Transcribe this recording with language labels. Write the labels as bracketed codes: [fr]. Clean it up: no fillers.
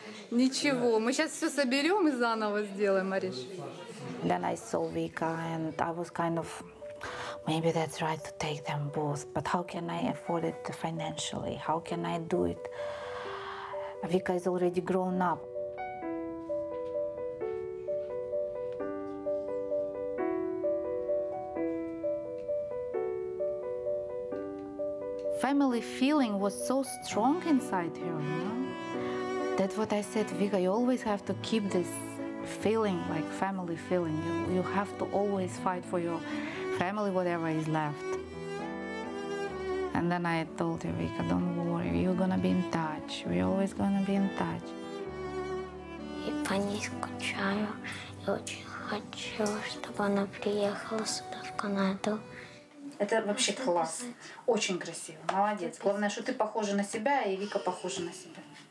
[ru] Ничего, мы сейчас все соберем и заново сделаем, Мариш. [en] Then I saw Vika and I was kind of, maybe that's right to take them both, but how can I afford it financially? How can I do it? Vika is already grown up. Family feeling was so strong inside her, you know? That's what I said, Vika, you always have to keep this feeling, like family feeling. You have to always fight for your family, whatever is left. And then I told her, Vika, don't worry, you're gonna be in touch. We're always gonna be in touch. I really want her to come to Canada. This is actually class. Very beautiful. [ru] Молодец. Главное, что ты похожа на себя, и Вика похожа на себя.